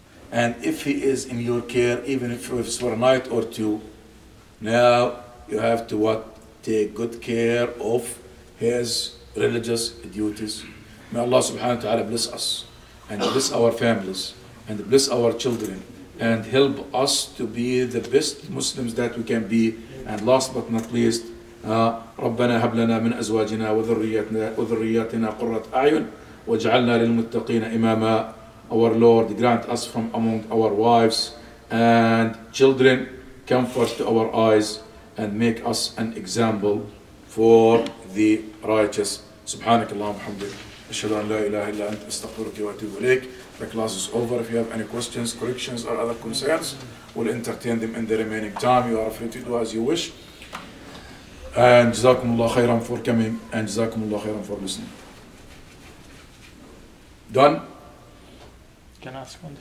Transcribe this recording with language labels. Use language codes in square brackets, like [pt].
[en] And if he is in your care, even if it's for a night or two, now you have to what? Take good care of his religious duties. May Allah subhanahu wa ta'ala bless us and bless our families and bless our children and help us to be the best Muslims that we can be. [ar] And last but not least, ربنا هب لنا من أزواجنا وذرياتنا قرة أعين وجعلنا للمتقين إماما. [en] Our Lord grant us from among our wives and children comfort to our eyes and make us an example for the righteous. [ar] سبحانك اللهم وبحمدك أشهد أن لا إله إلا أنت أستغفرك وأتوب إليك. [en] The class is over. If you have any questions, corrections or other concerns, we'll entertain them in the remaining time. You are free to do as you wish. And جزاكم الله خيرا for coming and جزاكم الله خيرا for listening. Done? Can I ask one?